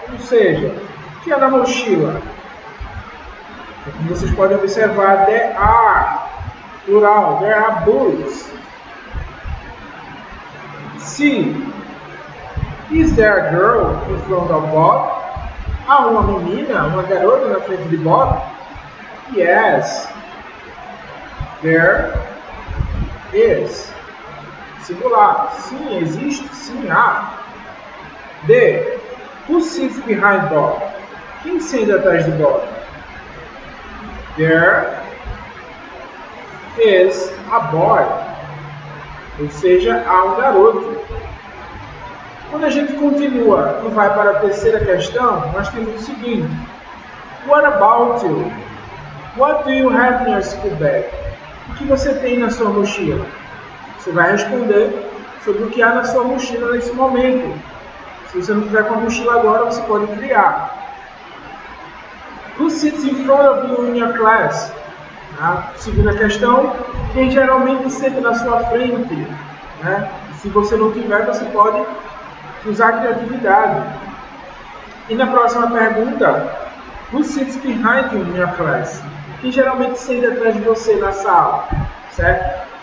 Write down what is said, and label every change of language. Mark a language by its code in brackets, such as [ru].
[pt] Ou seja, o que é na mochila? Como vocês podem observar, [en] there are, plural, there are books. [pt] C. [en] Is there a girl in front of Bob? [pt] Há uma menina, uma garota na frente de Bob? [en] Yes. There is. Singular. [pt] Sim, existe. Sim, há. [en] D. Who sits behind Bob? [pt] Quem senta atrás de Bob? [en] There is a boy. [pt] Ou seja, há um garoto. Quando a gente continua e vai para a terceira questão, nós temos o seguinte. [en] What about you? What do you have in your school bag? [pt] O que você tem na sua mochila? Você vai responder sobre o que há na sua mochila nesse momento. Se você não tiver com a mochila agora, você pode criar. [en] Who sits in front of you in your class? [pt] Tá? Segunda questão, quem geralmente senta na sua frente? Né? Se você não tiver, você pode usar a criatividade. E na próxima pergunta, [en] who sits behind you in your class? [pt] Quem geralmente senta atrás de você na sala? Certo?